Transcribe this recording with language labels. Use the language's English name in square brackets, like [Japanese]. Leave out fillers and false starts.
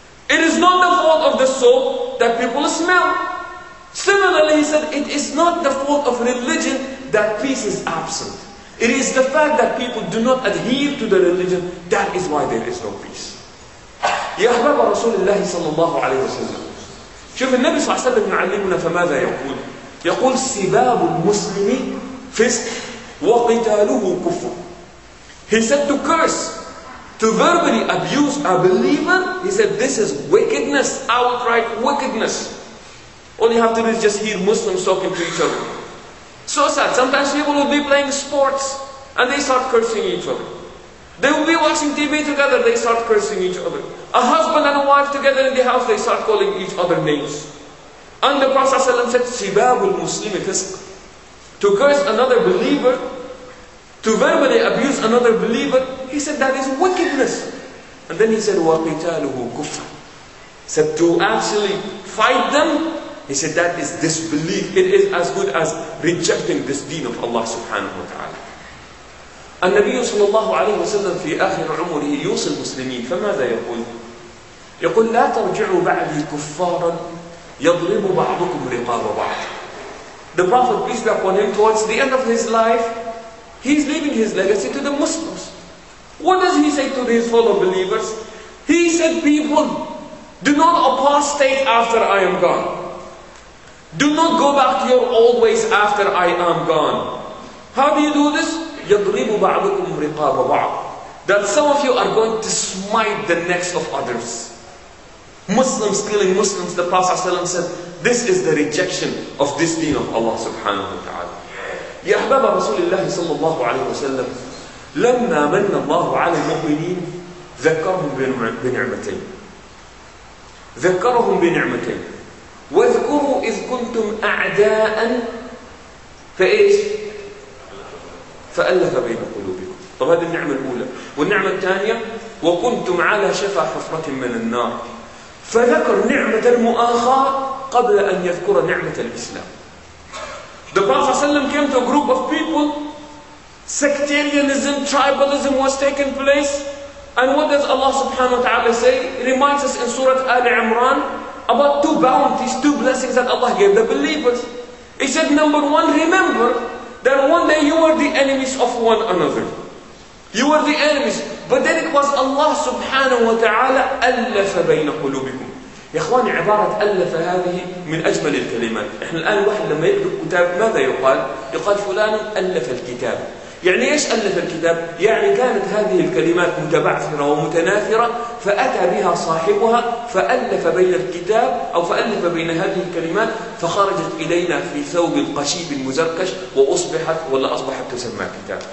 [English] It is not the fault of the soap that people smell. Similarly, he said, it is not the fault of religion that peace is absent. It is the fact that people do not adhere to the religion, that is why there is no peace. [Arabic] يا أحباب رسول الله صلى الله عليه وسلم. شوف النبي صلى الله عليه وسلم يعلمنا فماذا يقول؟ يقول سباب المسلم فسق وقتاله كفر. [English] He said to curse, to verbally abuse a believer, he said this is wickedness, outright wickedness. All you have to do is just hear Muslims talking to each other. So sad. Sometimes people will be playing sports and they start cursing each other. They will be watching TV together, they start cursing each other. A husband and a wife together in the house, they start calling each other names. And the Prophet ﷺ said, [Arabic] Sibabul Muslimi Fisq. [English] To curse another believer, to verbally abuse another believer, he said that is wickedness. And then he said, [Arabic] وَقِتَالُهُ كُفْرٌ. [English] Said to actually fight them, he said that is disbelief. It is as good as rejecting this deen of Allah subhanahu wa ta'ala. [Arabic] النبي صلى الله عليه وسلم في آخر عمره يوصي المسلمين فماذا يقول؟ يقول لا ترجعوا بعدي كفارا يَضْرِبُ بَعْضُكُمْ رِقَابَ بَعْضٍ. [English] The Prophet, peace be upon him, towards the end of his life, he's leaving his legacy to the Muslims. What does he say to his fellow believers? He said, people, do not apostate after I am gone. Do not go back to your old ways after I am gone. How do you do this? [Arabic] يَضْرِبُ بَعْضُكُمْ رِقَابَ بَعْضٍ. [English] That some of you are going to smite the necks of others. Muslims killing Muslims, the Prophet ﷺ said, this is the rejection of this deen of Allah subhanahu wa ta'ala. [Arabic] يا أحباب رسول الله صلى الله عليه وسلم لما من الله على المؤمنين ذكرهم بنعمتين ذكرهم بنعمتين واذكروا إذ كنتم أعداء فإيش؟ فألف بين قلوبكم. طب هذه النعمة الأولى. والنعمة الثانية وكنتم على شفا حفرة من النار. فذكر نعمة المؤاخاة قبل أن يذكر نعمة الإسلام. [English] The Prophet ﷺ came to a group of people. Sectarianism, tribalism was taking place. And what does Allah subhanahu wa ta'ala say? It reminds us in Surah Al-Imran about two bounties, two blessings that Allah gave the believers. He said, number one, remember that one day you were the enemies of one another. You were the enemies. But then it was Allah subhanahu wa ta'ala [Arabic] أَلَّفَ بَيْنَ قُلُوبِكُمْ. يا إخواني عبارة ألف هذه من أجمل الكلمات. إحنا الآن واحد لما يكتب كتاب ماذا يقال؟ يقال فلان ألف الكتاب. يعني إيش ألف الكتاب؟ يعني كانت هذه الكلمات متبعثرة ومتناثرة فأتى بها صاحبها فألف بين الكتاب أو فألف بين هذه الكلمات فخرجت إلينا في ثوب القشيب المزركش وأصبحت ولا أصبحت تسمى كتاب.